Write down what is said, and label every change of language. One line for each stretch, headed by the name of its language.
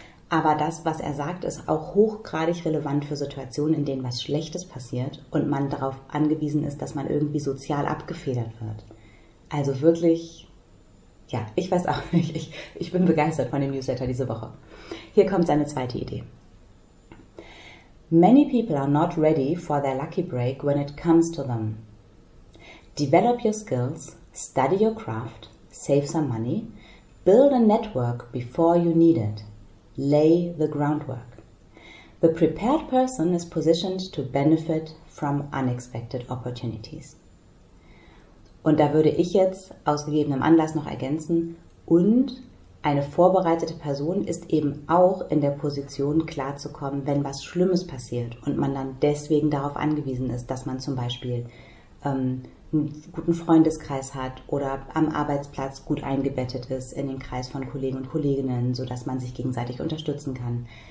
German: Aber das, was er sagt, ist auch hochgradig relevant für Situationen, in denen was Schlechtes passiert und man darauf angewiesen ist, dass man irgendwie sozial abgefedert wird. Also wirklich, ja, ich weiß auch nicht. Ich bin begeistert von dem Newsletter diese Woche. Hier kommt seine zweite Idee.
English: Many people are not ready for their lucky break when it comes to them. Develop your skills, study your craft, save some money, build a network before you need it, lay the groundwork. The prepared person is positioned to benefit from unexpected opportunities.
German: Und da würde ich jetzt aus gegebenem Anlass noch ergänzen, und eine vorbereitete Person ist eben auch in der Position, klarzukommen, wenn was Schlimmes passiert und man dann deswegen darauf angewiesen ist, dass man zum Beispiel einen guten Freundeskreis hat oder am Arbeitsplatz gut eingebettet ist in den Kreis von Kollegen und Kolleginnen, sodass man sich gegenseitig unterstützen kann.